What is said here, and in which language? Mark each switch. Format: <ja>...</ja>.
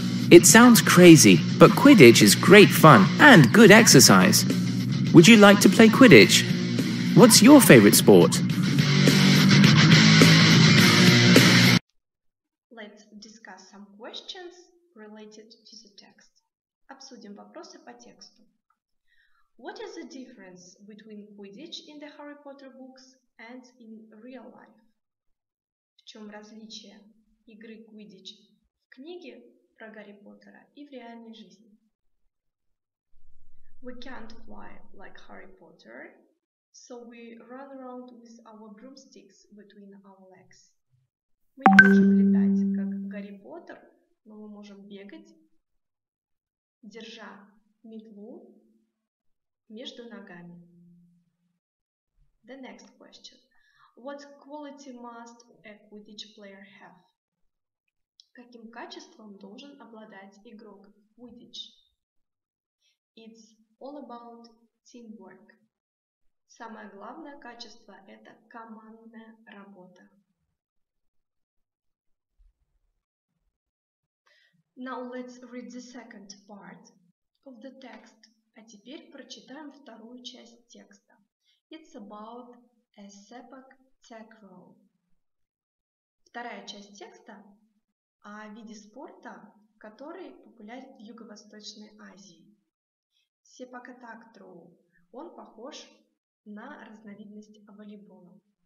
<en>It sounds crazy, but Quidditch is great fun and good exercise. Would you like to play Quidditch? What's your favorite sport? Let's discuss some questions related to the text.</en> <ru>Обсудим вопросы по тексту.</ru> <en>What is the difference between Quidditch in the Harry Potter books and in real life?</en> <ru>В чем различие игры Quidditch в книге про Гарри Поттера и в реальной жизни?</ru> <en>We can't fly like Harry Potter, so we run around with our broomsticks between our legs.</en> <ru>Мы не можем летать, как Гарри Поттер, но мы можем бегать, держа метлу между ногами.</ru> <en>The next question. What quality must a Quidditch player have?</en> <ru>Каким качеством должен обладать игрок Quidditch?</ru> <en>It's all about teamwork.</en> <ru>Самое главное качество – это командная работа.</ru> <en>Now let's read the second part of the text.</en> <ru>А теперь прочитаем вторую часть текста.</ru> <en>It's about a sepak takraw.</en> <ru>Вторая часть текста о виде спорта, который популярен в Юго-Восточной Азии. Sepak takraw. Он похож на разновидность волейбола.</ru>